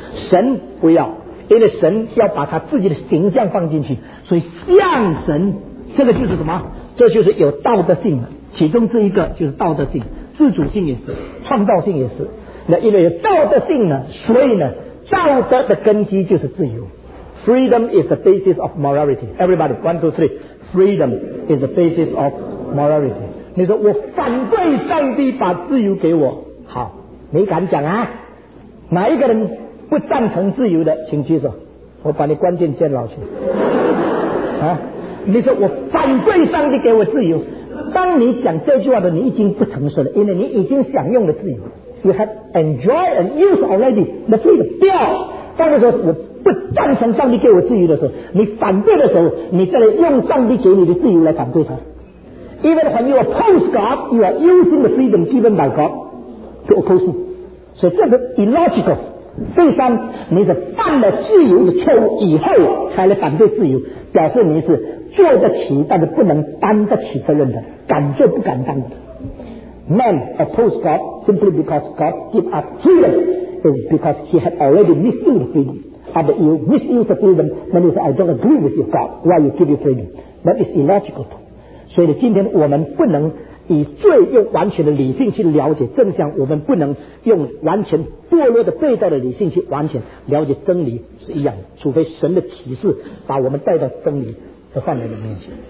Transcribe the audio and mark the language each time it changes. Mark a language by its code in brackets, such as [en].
[zh] 神不要，因为神要把他自己的形象放进去，所以像神，这个就是什么？这就是有道德性的，其中这一个就是道德性，自主性也是，创造性也是。那因为有道德性呢，所以呢，道德的根基就是自由。 [en] Freedom is the basis of morality. Everybody, one, two, three. Freedom is the basis of morality. [zh] 你说我反对上帝把自由给我，好，你敢讲啊？哪一个人不赞成自由的，请举手，我把你关进监牢去。啊，你说我反对上帝给我自由，当你讲这句话的，你已经不诚实了，因为你已经享用了自由。 [en] You have enjoyed and used already the freedom. [zh] 第二，当你说我不赞成上帝给我自由的时候，你反对的时候，你再来用上帝给你的自由来反对他。 [en] Even when you oppose God, you are using the freedom given by God to oppose him. [zh] 所以这个 illogical。第三，你是犯了自由的错误以后才来反对自由，表示你是做得起，但是不能担得起责任的，敢做不敢当的。 [en] Man opposed God simply because God gave us freedom is because he had already misused freedom. After you misuse the freedom, then you say, I don't agree with you, God, why you give you freedom? That is illogical. [zh] 所以今天我们不能以最用完全的理性去了解真相，我们不能用完全堕落的背道的理性去完全了解真理是一样的，除非神的启示把我们带到真理的范围里面去。